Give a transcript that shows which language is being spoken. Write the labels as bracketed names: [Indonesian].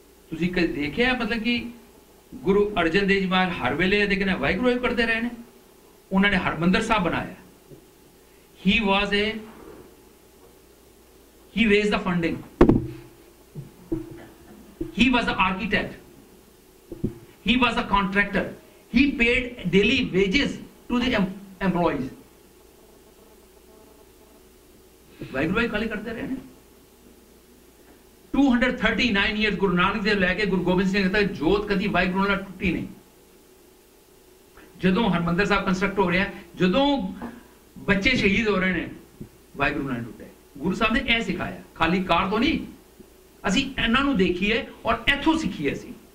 [Punjabi] ਤੁਸੀਂ ਕਦੇ ਦੇਖਿਆ ਮਤਲਬ ਕਿ ਗੁਰੂ ਅਰਜਨ ਦੇਵ ਜੀ ਮਹਾਰਾਜ ਹਰ ਵੇਲੇ ਦੇ ਕਹਿੰਦੇ ਵਾਹਿਗੁਰੂ ਹੀ ਕਰਦੇ ਰਹੇ ਨੇ ਉਹਨਾਂ ਨੇ ਹਰਿਮੰਦਰ ਸਾਹਿਬ ਬਣਾਇਆ ਹੀ [English] Was a he raised the funding He was the architect. He was a contractor. He paid daily wages to the employees. [Punjabi] Waheguru ਹੀ ਖਾਲੀ ਕਰਦੇ ਰਹੇ ਨੇ 239 ਈਅਰਸ ਗੁਰੂ ਨਾਨਕ ਦੇਵ ਲੈ ਕੇ ਗੁਰੂ ਗੋਬਿੰਦ ਸਿੰਘ ਤੱਕ ਜੋਤ ਕਦੀ ਵਾਹਿਗੁਰੂ ਨਾਲ ਟੁੱਟੀ ਨਹੀਂ ਜਦੋਂ ਹਰਿਮੰਦਰ ਸਾਹਿਬ ਕੰਸਟਰਕਟ ਹੋ ਰਿਹਾ ਜਦੋਂ ਬੱਚੇ ਸ਼ਹੀਦ ਹੋ ਰਹੇ ਨੇ ਵਾਹਿਗੁਰੂ ਨਾਲ ਟੁੱਟੇ ਗੁਰੂ ਸਾਹਿਬ ਨੇ ਇਹ ਸਿਖਾਇਆ ਖਾਲੀ ਕਾਰ ਤੋਂ ਨਹੀਂ ਅਸੀਂ ਇਹਨਾਂ ਨੂੰ ਦੇਖੀਏ ਔਰ ਇੱਥੋਂ ਸਿੱਖੀਏ ਅਸੀਂ